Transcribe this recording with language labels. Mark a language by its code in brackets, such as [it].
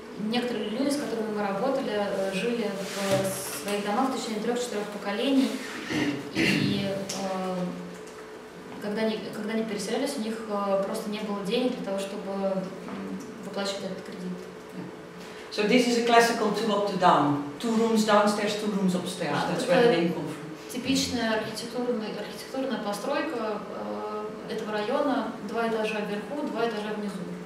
[ru] Некоторые люди, с которыми мы работали, жили в своих домах в течение 3-4 поколений, и когда они переселялись, у них просто не было денег для того, чтобы выплачивать этот кредит. [en] So this is a classical two up to down. Two rooms downstairs, two rooms upstairs. That's where the name comes from. [ru] Типичная архитектурная постройка этого района: два этажа вверху, два этажа внизу.